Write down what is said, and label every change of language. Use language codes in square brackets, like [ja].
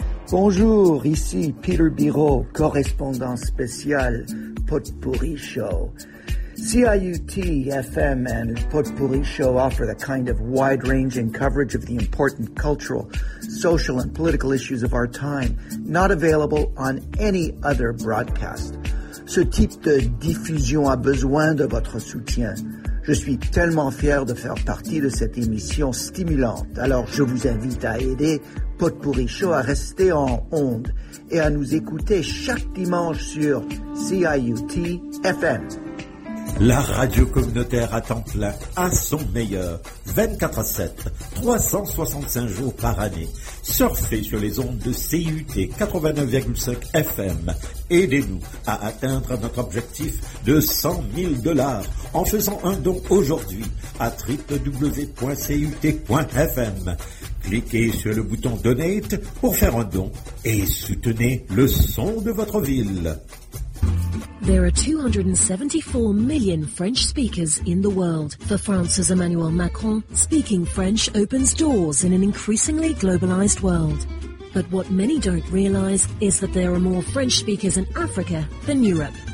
[fr] Bonjour, ici Peter Biro, correspondant spécial, Potpourri Show. [en] CIUT FM and Potpourri Show offer the kind of wide-ranging coverage of the important cultural, social, and political issues of our time, not available on any other broadcast. [fr] Ce type de diffusion a besoin de votre soutien. Je suis tellement fier de faire partie de cette émission stimulante, alors je vous invite à aider Potpourri Show à rester en onde et à nous écouter chaque dimanche sur CIUT FM. La radio communautaire à temps plein, à son meilleur, 24/7, 365 jours par année. Surfez sur les ondes de CIUT 89,5 FM. Aidez-nous à atteindre notre objectif de 100 000 $ en faisant un don aujourd'hui à www.ciut.fm. Cliquez sur le bouton Donate pour faire un don et soutenez le son de votre ville. [en] There are 274 million French speakers in the world. For France's Emmanuel Macron, speaking French opens doors in an increasingly globalized world. But what many don't realize is that there are more French speakers in Africa than Europe.